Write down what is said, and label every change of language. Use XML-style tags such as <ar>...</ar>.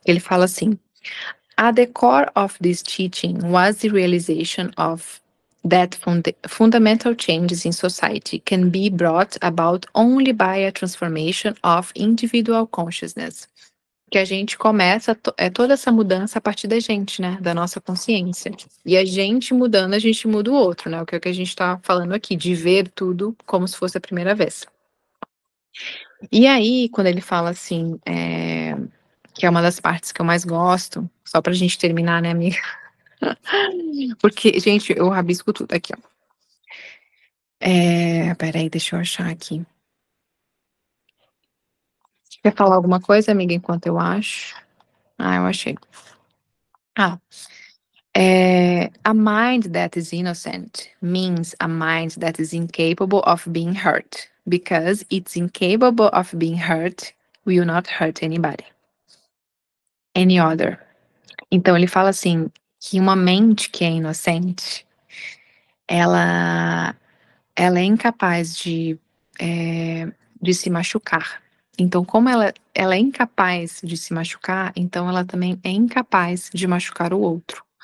<pt>Ele fala assim:</pt> <en>At the core of this teaching was the realization of that fundamental changes in society can be brought about only by a transformation of individual consciousness.</en> <pt>Que a gente começa toda essa mudança a partir da gente, né? Da nossa consciência. E a gente mudando, a gente muda o outro, né? O que é que a gente está falando aqui, de ver tudo como se fosse a primeira vez. E aí, quando ele fala assim, que é uma das partes que eu mais gosto, só pra gente terminar, né, amiga? Porque, gente, eu rabisco tudo aqui, ó. Peraí, deixa eu achar aqui. Quer falar alguma coisa, amiga, enquanto eu acho? Ah, eu achei. Ah.</pt> <en>A mind that is innocent means a mind that is incapable of being hurt. Because it's incapable of being hurt, will not hurt anybody. Any other.</en> <pt>Então, ele fala assim, que uma mente que é inocente, ela é incapaz de se machucar. Então, como ela é incapaz de se machucar, então ela também é incapaz de machucar o outro.</pt>